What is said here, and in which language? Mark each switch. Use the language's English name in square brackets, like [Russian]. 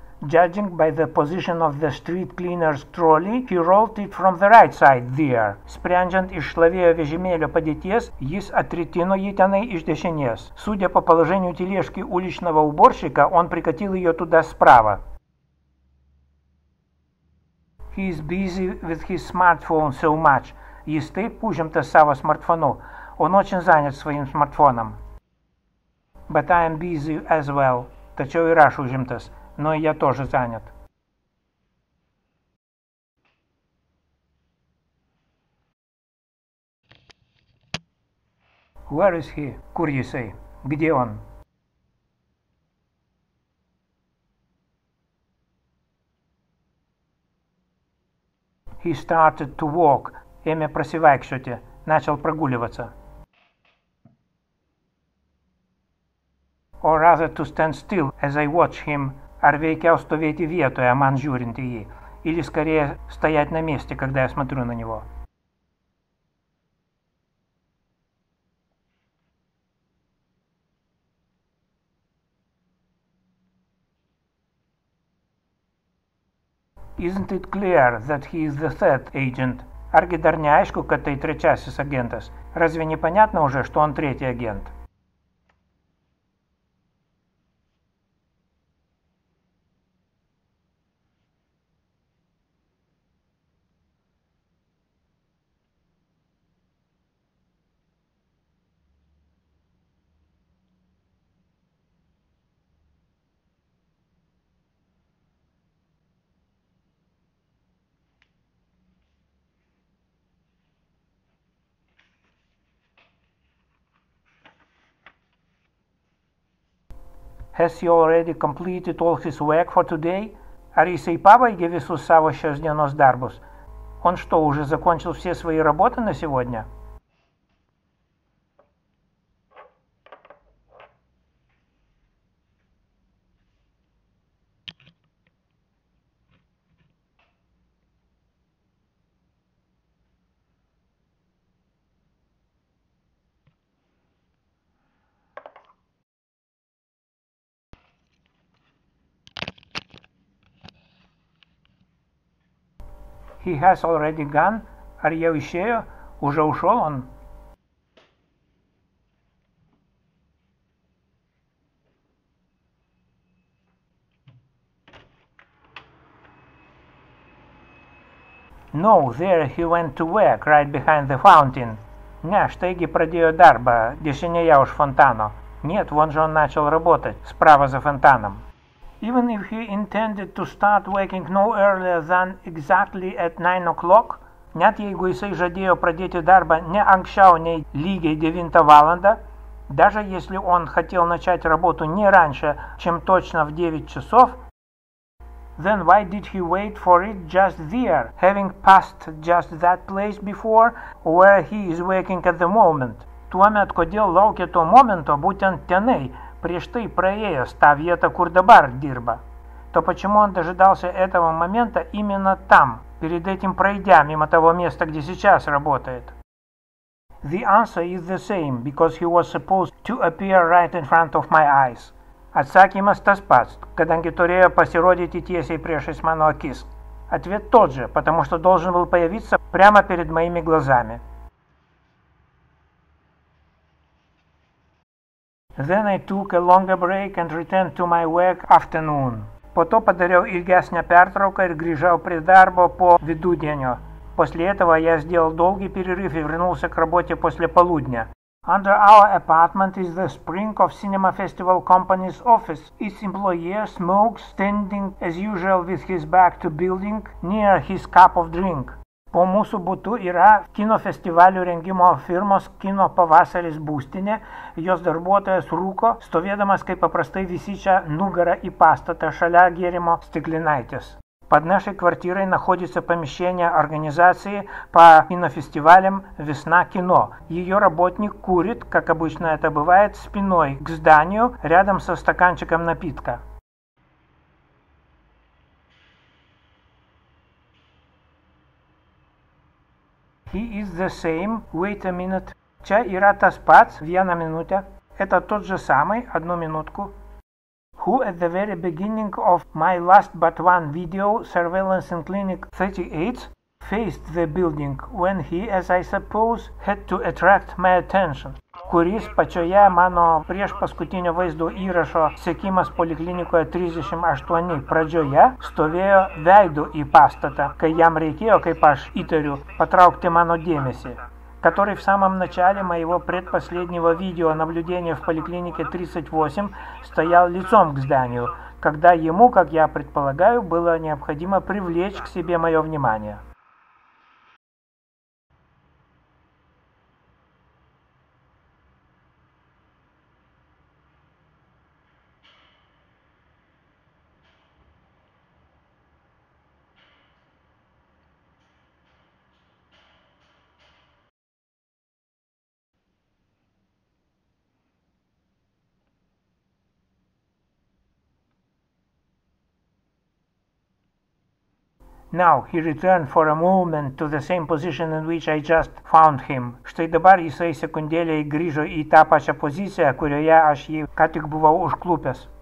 [English] Judging by the position of the street cleaner's trolley, he rolled it from the right side there. [Lithuanian] Sprendžiant iš šlavėjo vežimėlio padėties, jis atritino jį tenai iš dešinės. [Russian] Sudė po положению тележки уличного уборщика, он прикатил ее туда справа. [English] He is busy with his smartphone so much. [Lithuanian] Jis taip užimtas savo smartfonu. [Russian] Он очень занят своим смартфоном. [English] But I am busy as well. [Lithuanian] Tačiau ir aš užimtas. [Russian] Но я тоже занят. [English] Where is he? [Lithuanian] Kur jisai? [Russian] Где он? [English] He started to walk. [Lithuanian] Ėmė prasivaikščioti. [Russian] Начал прогуливаться. [English] Or rather to stand still as I watch him. [Lithuanian] Ar veikiau stovėti vietoje, man žiūrint į jį. [Russian] Или скорее стоять на месте, когда я смотрю на него. [English] Isn't it clear that he is the third agent? [Lithuanian] Argi dar neaišku, kad tai trečiasis agentas? [Russian] Разве не понятно уже, что он третий агент? [English] Has he already completed all his work for today? [Lithuanian] Ar jisai pabaigė visus savo šios dienos darbus? [Russian] Он что, уже закончил все свои работы на сегодня? [English] He has already gone. [Lithuanian] Ar jau išėjo? [Russian] Уже ушел он? [English] No, there he went to work, right behind the fountain. [Lithuanian] Ne, štaigi pradėjo darbą, dešinėje už фонтано. [Russian] Нет, вон же он начал работать, справа за фонтаном. [English] Even if he intended to start working no earlier than exactly at 9 o'clock, [Lithuanian] net jeigu jisai žadėjo pradėti darbą ne anksčiau nei lygiai 9 valandą, [Russian] даже если он хотел начать работу не раньше, чем точно в 9 часов, [English] then why did he wait for it just there, having passed just that place before, where he is working at the moment? [Lithuanian] Tuomet kodėl laukė to momento būtent tenai, prieš tai praėjęs tą vietą, kur dabar dirba. [Russian] То почему он дожидался этого момента именно там, перед этим пройдя мимо того места, где сейчас работает? [English] The answer is the same, because he was supposed to appear right in front of my eyes. [Lithuanian] Atsakymas tas pats, kadangi turėjo pasirodyti tiesiai priešais mano akis. [Russian] Ответ тот же, потому что должен был появиться прямо перед моими глазами. [English] Then I took a longer break and returned to my work afternoon. [Lithuanian] Po to padariau ilgesnę pertrauką ir grįžau prie darbo po vidudienio. [Russian] После этого я сделал долгий перерыв и вернулся к работе после полудня. [English] Under our apartment is the spring of Cinema Festival Company's office. Its employee smokes, standing as usual with his back to building, near his cup of drink. [Lithuanian] По мūsų būtų yra kinofestivalių rengimo firmos Kino Pavasaris būstinė, jos darbuotojas rūko, stovėdamas kaip paprastai visi čia nugara į pastatą šalia gėrimo stiklinaitės. [Russian] Под нашей квартирой находится помещение организации по кинофестивалям «Весна кино». Ее работник курит, как обычно это бывает, спиной к зданию рядом со стаканчиком напитка. [English] He is the same. Wait a minute. [Lithuanian] Čia yra tas pats. Vieną minutę. [Russian] Это тот же самый. Одну минутку. [English] who at the very beginning of my last but one video, Surveillance in Clinic 38, faced the building when he, as I suppose, had to attract my attention. [Lithuanian] Kuris pačioje mano prieš paskutinio vaizdo įrašo sekimas poliklinikoje 38 pradžioje stovėjo veidu į pastatą, kai jam reikėjo, kaip aš įtariu, patraukti mano dėmesį. [Russian] Который в самом начале моего предпоследнего видео наблюдения в поликлинике 38 стоял лицом к зданию, когда ему, как я предполагаю, было необходимо привлечь к себе мое внимание. [English] Now he returned for a moment to the same position in which I just found him. [Lithuanian] Štai dabar jisai sekundėliai grįžo į tą pačią poziciją, kurioje aš jį ką tik buvau užklupęs.